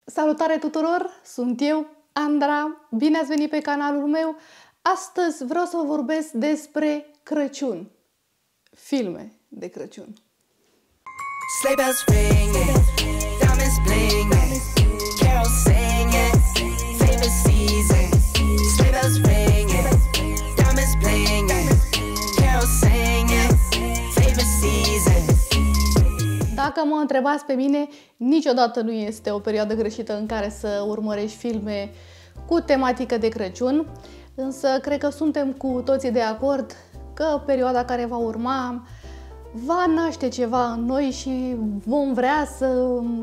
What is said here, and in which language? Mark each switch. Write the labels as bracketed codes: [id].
[ro] Salutare tuturor, sunt eu, Andra, bine ați venit pe canalul meu. Astăzi vreau să vorbesc despre Crăciun. Filme de Crăciun. [en] Sleigh bells ringing, diamonds blinging, carols singing, favorite season. Sleigh bells ringing, diamonds blinging, carols singing, favorite season. [ro] Dacă mă întrebați pe mine, niciodată nu este o perioadă greșită în care să urmărești filme cu tematică de Crăciun, însă cred că suntem cu toții de acord că perioada care va urma va naște ceva în noi și vom vrea să